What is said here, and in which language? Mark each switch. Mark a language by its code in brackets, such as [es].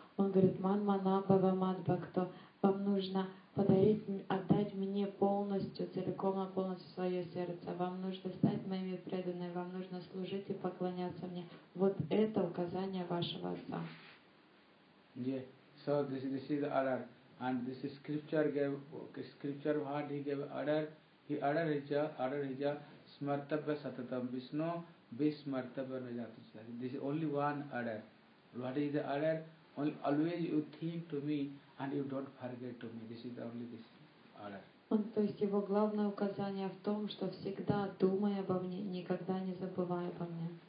[ru] Он говорит, [sa] ман манабава мадбакто, [ru] вам нужно отдать мне полностью, целиком и полностью свое сердце. Вам нужно стать моими преданными, вам нужно служить и поклоняться мне. Вот это указание вашего отца. [en] Yeah. So this is the order. And this is scripture what he gave order. [sa] He ordered smartabha satatam visno bismartabha najatu chitati. [en] This is only one order. What is the order? Always you think to me and you don't forget to me. This is only this order. [ru] То есть его главное указание в том, что всегда думай обо мне, никогда не забывай обо мне.